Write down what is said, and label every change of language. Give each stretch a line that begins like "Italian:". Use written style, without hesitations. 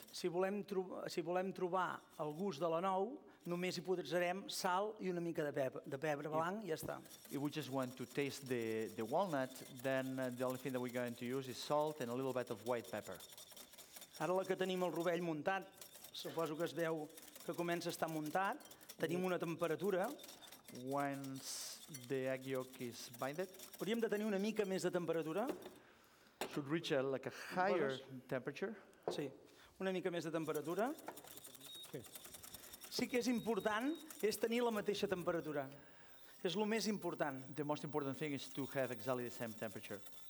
Catalan: Si volem trobar el gust de la nou, només hi posarem sal I una mica de pebre blanc I ja està.
English: If we just want to taste the walnut, then the only thing that we're going to use is salt and a little bit of white pepper.
Catalan: Ara la que tenim el rovell muntat, suposo que es veu que comença a estar muntat, tenim una temperatura.
English: Once the egg yolk is binded.
Catalan: Hauríem de tenir una mica més de temperatura.
English: Should reach a, like a higher temperature.
Catalan: Sí, una mica més de temperatura. Sí que és important és tenir la mateixa temperatura. És lo més important.
English: The most important thing is to have exactly the same temperature.